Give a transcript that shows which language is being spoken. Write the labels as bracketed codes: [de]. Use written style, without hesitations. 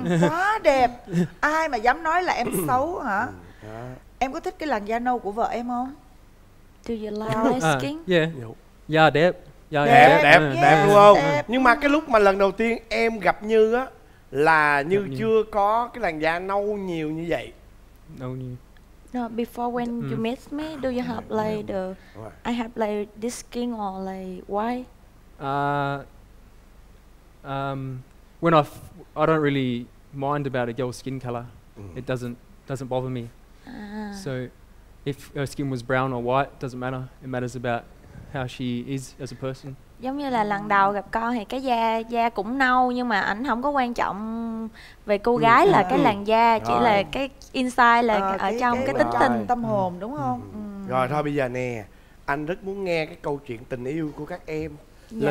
[vi] Quá đẹp. Ai mà dám nói là em xấu hả? Em có thích cái làn da nâu của vợ em không? [en] Do you like skin? [vi] Yeah, đẹp. Đẹp, yeah. Đẹp luôn không? Đẹp. Nhưng mà cái lúc mà lần đầu tiên em gặp Như á, là Như gặp chưa như. Có cái làn da nâu nhiều như vậy. Nâu nhiều. [en] No, before when you meet me, do you have like the... I have like this skin or like why? When I don't really mind about a girl's skin color. It doesn't bother me. So... If her skin was brown or white, doesn't matter. It matters about how she is as a person. [vi] Giống như là lần đầu gặp con thì cái da cũng nâu nhưng mà ảnh không có quan trọng về cô gái là cái làn da, chỉ là cái inside là ở trong cái tính tình tâm hồn đúng không? Rồi thôi bây giờ nè, anh rất muốn nghe cái câu chuyện tình yêu của các em. Dạ.